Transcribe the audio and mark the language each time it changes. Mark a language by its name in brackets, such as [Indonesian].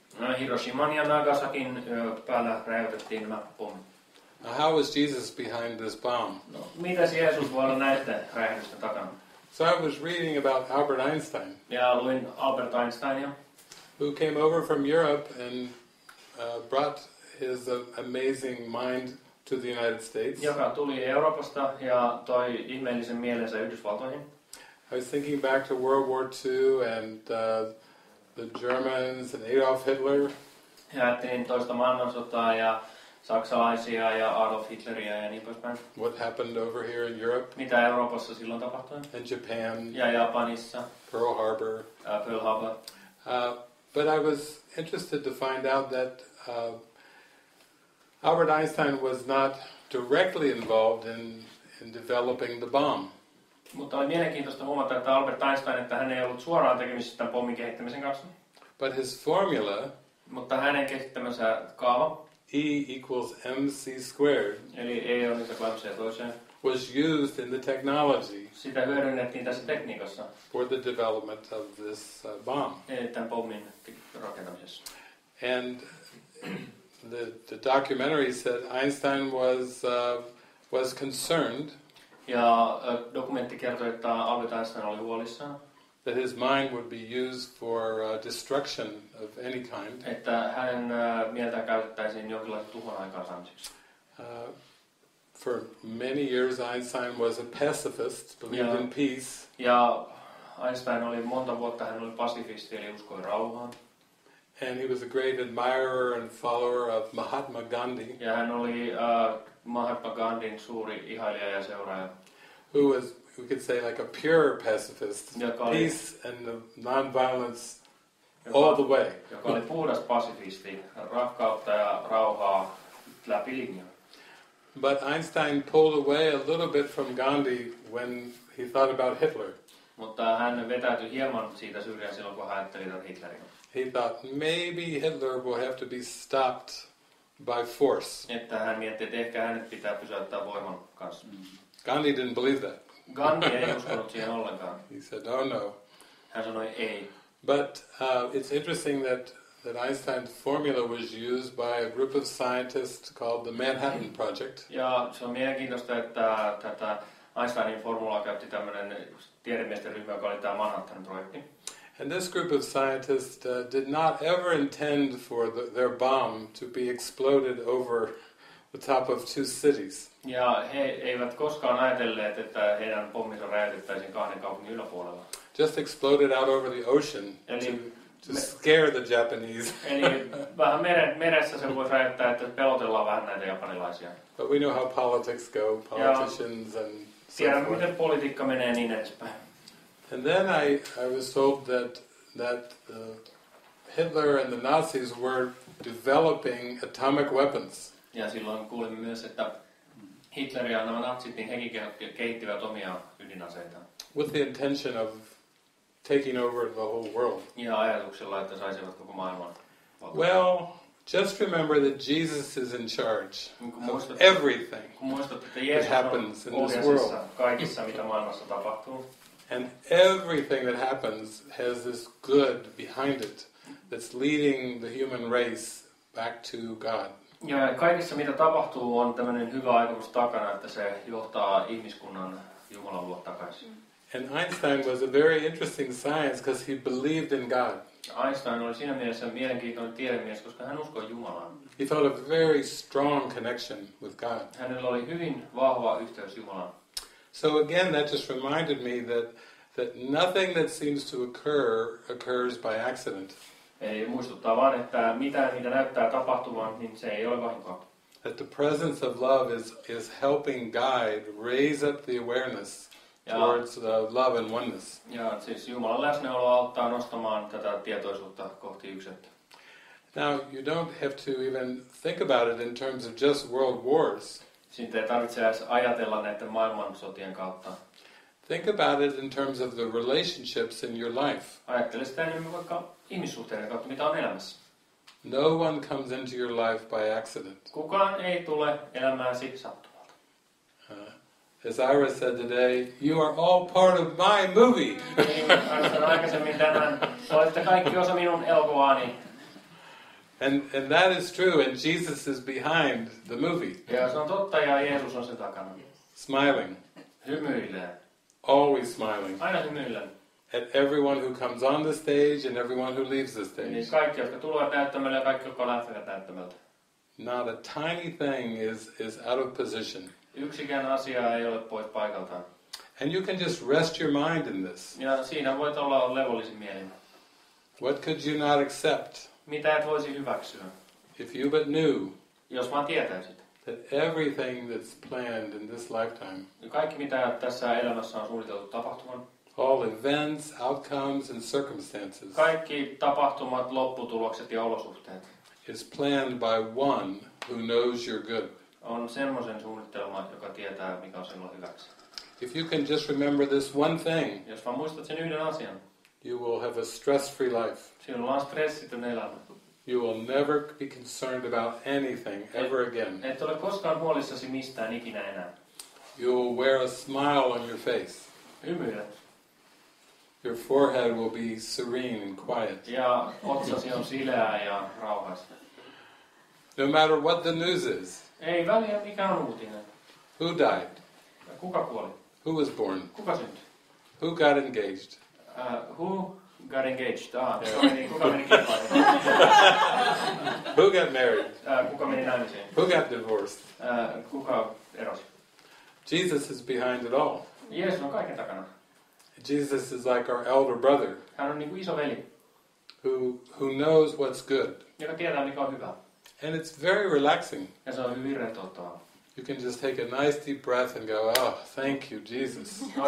[Finnish] No, Hiroshiman ja Nagasakin päällä räjäytettiin nämä pommit. [English] Now, how was Jesus behind this bomb? [Finnish] No, mitäs Jeesus voi olla näiden räjähdysten takana? [English] So I was reading about Albert Einstein. [Finnish] Ja luin Albert Einsteinia. [English] Who came over from Europe and brought his amazing mind to the United States. [Finnish] Joka tuli Euroopasta ja toi ihmeellisen mielensä Yhdysvaltoihin. [English] I was thinking back to World War II and the Germans and Adolf Hitler. [Finnish] Ja ajattelin toista maailmansotaa ja saksalaisia ja Adolf Hitleria ja niin poispäin. [English] What happened over here in Europe? [Finnish] Mitä Euroopassa silloin tapahtui? [English] In Japan. [Finnish] Ja Japanissa. [English] Pearl Harbor. [Finnish] Pearl Harbor. [English] But I was interested to find out that Albert Einstein was not directly involved in developing the bomb. [Finnish] Mutta oli mielenkiintoista huomata, että Albert Einstein, että hän ei ollut suoraan tekemisissä tämän pommin kehittämisen kanssa. [English] But his formula. [Finnish] Mutta hänen kehittämänsä kaava. [English] E equals mc squared. [Finnish] Eli E on se kvadratti toiseen. [English] was used in the technology. [Finnish] Sitä hyödynnettiin tässä tekniikassa. [English] For the development of this bomb. [Finnish] Tämän pommin rakentamisessa. [English] And the documentary said Einstein was concerned. [Finnish] Ja dokumentti kertoi, että Albert Einstein oli huolissaan. [English] That his mind would be used for destruction of any kind. [Finnish] Että hänen mieltään käytettäisiin jonkinlaista tuhon aikaansaamiseksi. [English] For many years Einstein was a pacifist, believed in peace. [Finnish] Ja Einstein oli monta vuotta, hän oli pasifisti, eli uskoi rauhaan. [English] And he was a great admirer and follower of Mahatma Gandhi. [Finnish] Ja hän oli Mahatma Gandhin suuri ihailija ja seuraaja. [English] Who was, we could say, like a pure pacifist. Peace and non-violence all the way. [Finnish] Joka oli puhdas pasifisti, rakkautta ja rauhaa läpi linjaa. [English] But Einstein pulled away a little bit from Gandhi when he thought about Hitler. [Finnish] Mutta hän vetäytyi hieman siitä syrjään silloin, kun hän ajatteli Hitlerin. [English] He thought maybe Hitler will have to be stopped by force. [Finnish] Että hän mietti, että ehkä hänet pitää pysäyttää voiman kanssa. [English] Gandhi didn't believe that. [Finnish] Gandhi ei uskonut siihen ollenkaan. [English] He said, oh no. [Finnish] Hän sanoi ei. [English] But it's interesting that Einstein's formula was used by a group of scientists called the Manhattan Project. [Finnish] Ja se on mielenkiintoista, että tätä Einsteinin formulaa käytti tämmöinen tiedemiesten ryhmä, joka oli tämä Manhattan projekti. [English] And this group of scientists did not ever intend for their bomb to be exploded over the top of two cities. [Finnish] Ja he eivät koskaan ajatelleet, että heidän pomminsa räjäytettäisiin kahden kaupungin yläpuolella. [English] Just exploded out over the ocean. Eli to scare the Japanese. [Finnish] Eli vähän meressä se voi räjäyttää, että pelotellaan vähän näitä japanilaisia. [English] But we know how politics go, politicians [Finnish] ja [English] and so tiedän, forth. [Finnish] Miten politiikka menee niin edespäin. [English] And then I was told that Hitler and the Nazis were developing atomic weapons. [Finnish] Ja silloin kuulimme myös, että Hitler ja nämä natsit, niin hekin kehittivät omia ydinaseita. [English] With the intention of taking over the whole world. [Finnish] Ja ajatuksella, että saisivat koko maailman. [English] Well, just remember that Jesus is in charge of everything that happens in this world. [Finnish] Kaikissa, mitä maailmassa tapahtuu. [English] And everything that happens has this good behind it that's leading the human race back to God. [Finnish] Ja kaikessa mitä tapahtuu on tämmöinen hyvä ajatus takana, että se johtaa ihmiskunnan Jumalan luo takaisin. [English] And Einstein was a very interesting science because he believed in God. [Finnish] Einstein oli siinä mielessä mielenkiintoinen tiedemies, koska hän uskoi Jumalaan. [English] He felt a very strong connection with God. [Finnish] Hänellä oli hyvin vahva yhteys Jumalaan. [English] So again, that just reminded me that nothing that seems to occurs by accident. [Finnish] Eli muistuttaa vaan, että mitään, mitä näyttää tapahtuvan, niin se ei ole vahinkoa. [English] That the presence of love is helping guide, raise up the awareness towards the love and oneness. [Finnish] Ja siis Jumalan läsnäolo auttaa nostamaan tätä tietoisuutta kohti yksettä. [English] Now, you don't have to even think about it in terms of just world wars. [Finnish] Siitä ei tarvitse edes ajatella näiden maailmansotien kautta. [English] Think about it in terms of the relationships in your life. [Finnish] Ajattele sitä enemmän vaikka ihmissuhteiden kautta, mitä on elämässä. [English] No one comes into your life by accident. [Finnish] Kukaan ei tule elämääsi sattumalta. [English] As Ira said today, you are all part of my movie. [Finnish] Niin, sanoin aikaisemmin tänään, olette kaikki osa minun elokuvaani. [English] And that is true, and Jesus is behind the movie. [Finnish] Ja se on totta, ja Jeesus on sen takana. [English] Smiling. [Finnish] Hymyilee. [English] Always smiling. [Finnish] Aina hymyillen. [English] At everyone who comes on the stage and everyone who leaves the stage. [Finnish] Niin kaikki, jotka tulevat näyttämölle ja kaikki, jotka lähtevät näyttämöltä. [English] Not a tiny thing is out of position. [Finnish] Yksikään asia ei ole pois paikaltaan. [English] And you can just rest your mind in this. [Finnish] Ja siinä voit olla levollisin mielin. [English] What could you not accept? [Finnish] Mitä et voisi hyväksyä? [English] If you but knew, [Finnish] jos vaan tietäisit, [English] that everything that's planned in this lifetime, [Finnish] kaikki mitä tässä elämässä on suunniteltu tapahtuman, [English] all events, outcomes and circumstances, [Finnish] kaikki tapahtumat, lopputulokset ja olosuhteet, [English] is planned by one who knows your good, [Finnish] on semmoisen suunnittelma, joka tietää mikä on silloin hyväksi. [English] If you can just remember this one thing, [Finnish] jos vaan muistat sen yhden asian, [English] you will have a stress-free life. [Finnish] Sinulla on stressitön elämä. [English] You will never be concerned about anything ever again. [Finnish] Et ole koskaan huolissasi mistään ikinä enää. [English] you'll wear a smile on your face. [Finnish] Hymyät. [English] Your forehead will be serene and quiet. [Finnish] Ja otsasi on sileä ja rauhassa. [English] No matter what the news is. [Finnish] Ei väliä mikä on uutinen. [English] Who died? [Finnish] Kuka kuoli? [English] Who was born? [Finnish] Kuka syntyi? [English] Who got engaged? Who got engaged? [Finnish] Kuka meni kimppaan? [English] Who got married? [Finnish] Kuka meni naimisiin? [English] Who got divorced? [Finnish] Kuka erosi? [English] Jesus is behind it all. [Finnish] Jeesus on kaiken takana. [English] Jesus is like our elder brother. [Finnish] Hän on niin kuin isoveli. [English] Who knows what's good. [Finnish] Joka tietää mikä on hyvä. [English] And it's very relaxing. [Finnish] Ja se on hyvin rentouttavaa. [English] You can just take a nice deep breath and go, oh, thank you, Jesus.